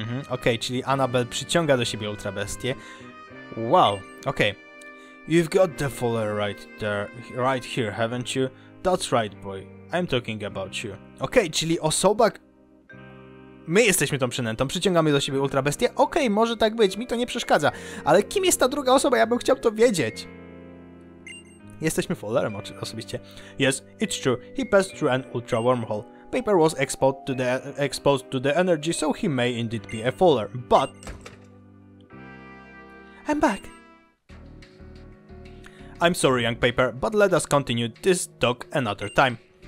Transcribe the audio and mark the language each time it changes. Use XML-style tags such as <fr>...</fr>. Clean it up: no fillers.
<pl>Okej, czyli Annabelle przyciąga do siebie ultrabestie. Wow, okej. Okay.</pl> <en>You've got the Faller right there, right here, haven't you? That's right, boy. I'm talking about you.</en> <pl>Okej, czyli osoba... My jesteśmy tą przynętą, przyciągamy do siebie ultrabestię. Okej, może tak być, mi to nie przeszkadza. Ale kim jest ta druga osoba? Ja bym chciał to wiedzieć. Jesteśmy Fallerem osobiście.</pl> <en>Yes, it's true. He passed through an ultra wormhole. Paper was exposed to the energy, so he may indeed be a Faller, but... I'm back. I'm sorry, young paper, but let us continue this talk another time.</en>